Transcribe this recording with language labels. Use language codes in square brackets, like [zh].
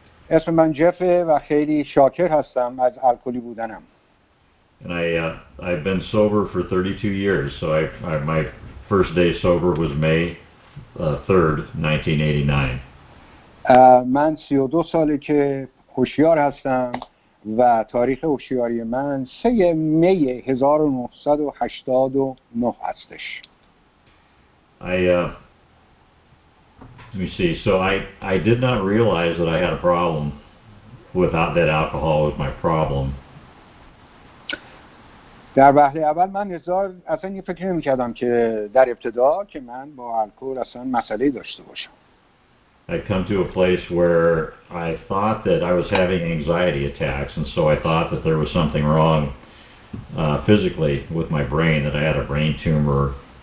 [fa] اسم من جفه و خیلی شاکر هستم از الکلی بودنم. [en] And I've been sober for 32 years, so I my first day sober was May 3rd, 1989. [fa] من 32 ساله که هوشیار هستم و تاریخ هوشیاری من 3 می 1989 هستش. [en] Let me see. So I did not realize that I had a problem without that alcohol was my problem. [fa] در وهله اول من هزار اصلا این فکر نمی‌کردم که در ابتدا که من با الکل اصلا مسئله‌ای داشته باشم. [en] I come to a place where I thought that I was having anxiety attacks, and so I thought that there was something wrong physically with my brain, that I had a brain tumor.